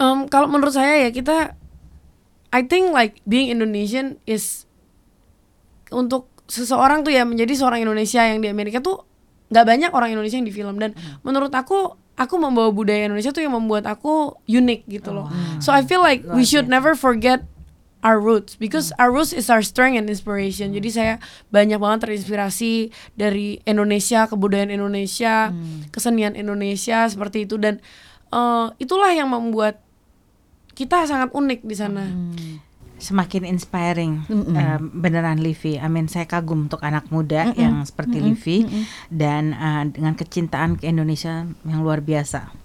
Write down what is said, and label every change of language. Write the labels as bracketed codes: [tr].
[id] Kalau menurut saya ya, kita [en] I think like being Indonesian is [id] untuk seseorang tuh ya, menjadi seorang Indonesia yang di Amerika tuh gak banyak orang Indonesia yang di film. Dan menurut aku membawa budaya Indonesia tuh yang membuat aku unik gitu loh. [en] So I feel like we should never forget our roots, because our roots is our strength and inspiration. [id] Jadi saya banyak banget terinspirasi dari Indonesia, kebudayaan Indonesia, kesenian Indonesia, seperti itu. Dan itulah yang membuat kita sangat unik di sana. Semakin inspiring, beneran Livi. Amin, saya kagum untuk anak muda yang seperti Livi dan dengan kecintaan ke Indonesia yang luar biasa.